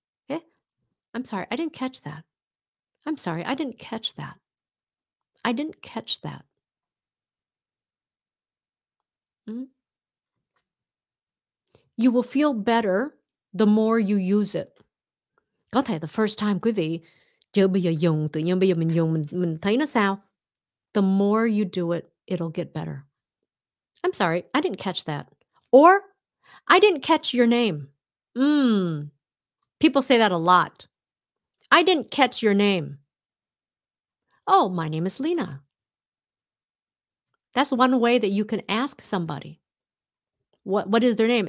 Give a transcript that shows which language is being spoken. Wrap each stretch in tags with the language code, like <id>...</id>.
<en>Okay? I'm sorry, I didn't catch that. I'm sorry, I didn't catch that. I didn't catch that. You will feel better the more you use it.</en> <vi>Có thể</vi> <en>the first time</en> <vi>quý vị chưa bao giờ dùng, tự nhiên bây giờ mình dùng, mình thấy nó sao?</vi> <en>The more you do it, it'll get better. I'm sorry, I didn't catch that. Or, I didn't catch your name. People say that a lot. I didn't catch your name. Oh, my name is Leyna. That's one way that you can ask somebody. What is their name?</en>